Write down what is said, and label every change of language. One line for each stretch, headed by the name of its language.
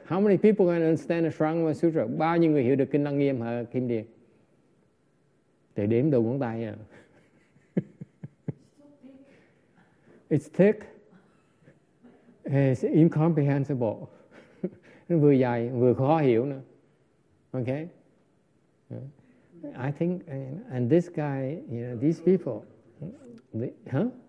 English: How many people can understand the Sutra sutra?
Vietnamese: Bao nhiêu người hiểu được kinh Lăng Nghiêm hả Kim Điền? Để đếm đầu ngón tay nha.
English: It's thick. It's incomprehensible.
Vietnamese: Nó vừa dài vừa khó hiểu nữa.
English: Okay? I think, and this guy, you know, these people, huh?